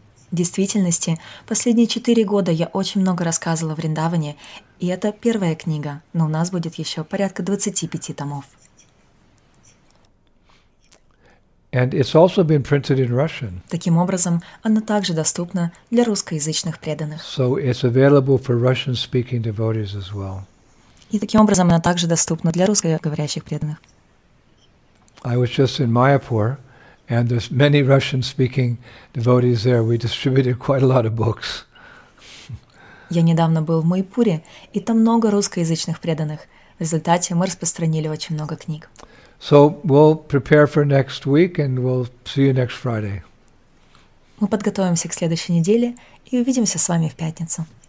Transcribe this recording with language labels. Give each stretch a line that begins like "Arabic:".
Russian: В действительности, последние 4 года я очень много рассказывала о Вриндаване, и это первая книга, но у нас будет еще порядка 25 томов.
English: And it's also been printed in Russian.
Russian: Таким образом, она также доступна для русскоязычных преданных.
English: So it's available for Russian-speaking devotees as well.
Russian: И таким образом, она также доступна для русскоговорящих преданных.
English: I was just in Mayapur, and there's many Russian-speaking devotees there. We distributed quite a lot of books.
Russian: Я недавно был в Майпуре, и там много русскоязычных преданных. В результате мы распространили очень много книг.
English: So we'll prepare for next week, and we'll see you next Friday.
Russian: Мы подготовимся к следующей неделе и увидимся с вами в пятницу.